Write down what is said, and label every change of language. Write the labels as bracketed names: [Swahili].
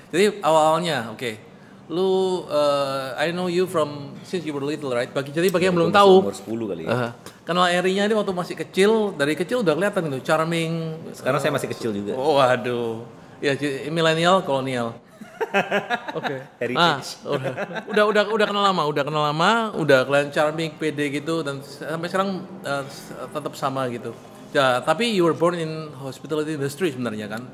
[Indonesian] Jadi awalnya, [English] okay, lu I know you from since you were little, right? [Indonesian] Bagi yang belum tahu, umur 10 kali ya. Karena Erinya ini waktu masih kecil, dari kecil udah kelihatan gitu, charming. Sekarang saya masih kecil juga. Waduh, ya milenial, kolonial. Oke. Okay. Nah, udah kenal lama, udah kalian charming, PD gitu, dan sampai sekarang tetap sama gitu. [English] Ya, tapi you were born in hospitality industry [Indonesian] sebenarnya kan?